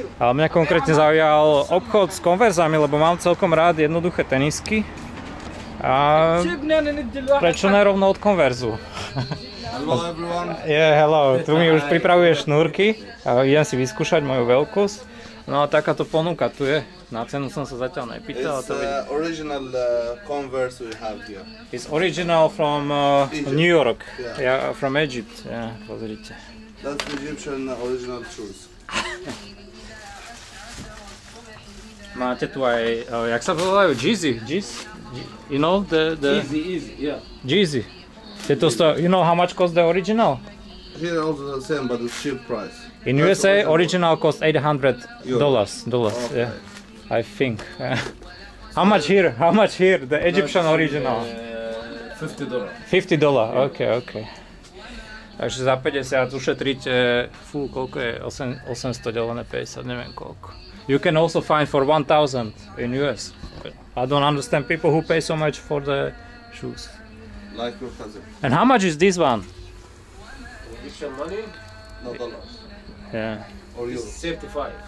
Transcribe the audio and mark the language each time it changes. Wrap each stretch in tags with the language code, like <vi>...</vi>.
<sk>Ale mňa konkrétne zaujal obchod s konverzami, lebo mám celkom rád jednoduché tenisky. A prečo nerovno od konverzu? Hello, tu mi už pripravuješ šnúrky a idem si vyskúšať moju veľkosť. No a takáto ponuka tu je. Na cenu som sa zatiaľ nepýtal.</sk> <en>It's original Converse we have here. It's original from New York. Yeah, from Egypt. Yeah,</en> <sk>pozrite.</sk> <en>That's Egyptian original shoes.</en> <sk>Máte tu aj, jak sa volajú? Jeezy?</sk> <en>You know the... Jeezy, yeah.</en> <sk>Jeezy. Sto...</sk> <en>You know how much cost the original? Here also the same, but it's cheap price. In USA, original, original cost $800. Dollars, okay. Yeah. I think. How much here? How much here? The Egyptian original. $50. Yeah. Okay, okay.</en> <sk>Takže za 50 ušetríte, fú, koľko je? 800 delené 50, neviem koľko.</sk> <en>You can also find for 1000 in US. I don't understand people who pay so much for the shoes. Like your cousin. And how much is this one? Egyptian money? No dollars. Yeah. Or euro. It's 35.</en>